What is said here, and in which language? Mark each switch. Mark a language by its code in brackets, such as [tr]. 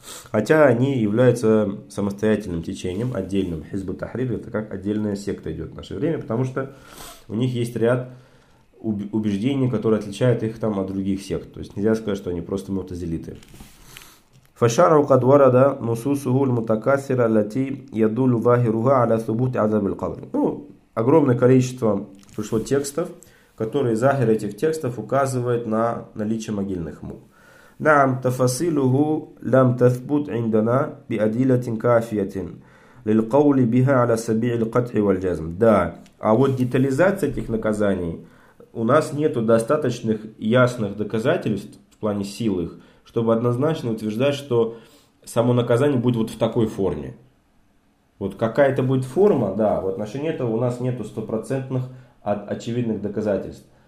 [ru] Хотя они являются самостоятельным течением, отдельным. Хизб-ут-Тахрир это как отдельная секта идет в наше время, потому что у них есть ряд убеждений, которые отличают их там от других сект. То есть нельзя сказать, что они просто мутазилиты. [ar] فشرع قد ورد نصوصه المتكاثرة التي يدل ظاهرها على ثبوت عذاب القبر. [ru] Ну, огромное количество пришло текстов, которые ظاهер этих текстов указывает на наличие могильных мук. [ar] نعم تفاصيله لم تثبت عندنا بأدلة كافية للقول بها على سبيل القطع والجزم. [ru] Да, а вот детализация этих наказаний, у нас нету достаточных ясных доказательств в плане сил их, чтобы однозначно утверждать, что само наказание будет вот в такой форме. Вот какая-то будет форма, да, в отношении этого у нас нету стопроцентных очевидных доказательств.